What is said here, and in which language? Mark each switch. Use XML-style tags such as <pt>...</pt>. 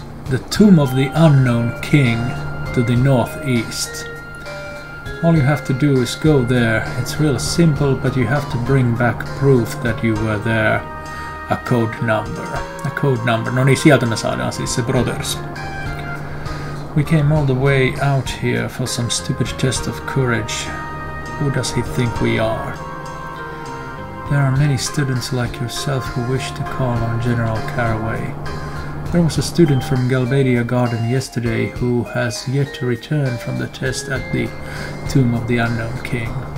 <en>The Tomb of the Unknown King to the northeast. All you have to do is go there. It's real simple, but you have to bring back proof that you were there. A code number. A code number.</en> <fi>No niin, sieltä me saadaan siis se Brothers.</fi> <en>We came all the way out here for some stupid test of courage. Who does he think we are? There are many students like yourself who wish to call on General Carraway. There was a student from Galvadia Garden yesterday who has yet to return from the test at the Tomb of the Unknown King.</en>